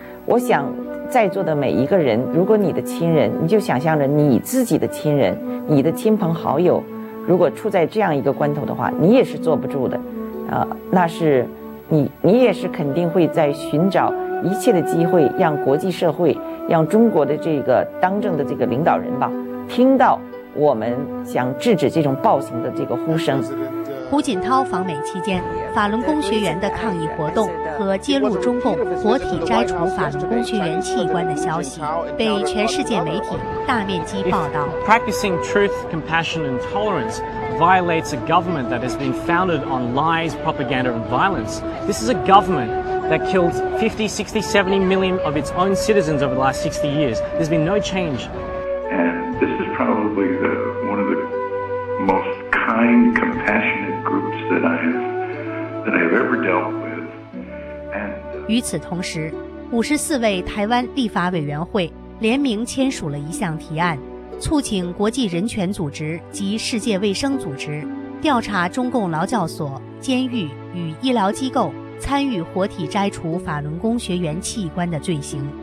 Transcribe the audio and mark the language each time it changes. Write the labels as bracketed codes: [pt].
[zh] 我想在座的每一个人，如果你的亲人，你就想象着你自己的亲人，你的亲朋好友，如果处在这样一个关头的话，你也是坐不住的，那是你也是肯定会在寻找一切的机会，让国际社会，让中国的这个当政的这个领导人吧，听到我们想制止这种暴行的这个呼声。胡锦涛访美期间，法轮功学员的抗议活动和揭露中共活体摘除法轮功学员器官的消息被全世界媒体大面积报道。 [en] Practicing truth, compassion and tolerance violates a government that has been founded on lies, propaganda and violence. This is a government that killed 50, 60, 70 million of its own citizens over the last 60 years. There's been no change. And this is probably one of the most kind, compassionate groups that I have ever dealt with. [zh] 与此同时，54位台湾立法委员会联名签署了一项提案，促请国际人权组织及世界卫生组织调查中共劳教所、监狱与医疗机构参与活体摘除法轮功学员器官的罪行。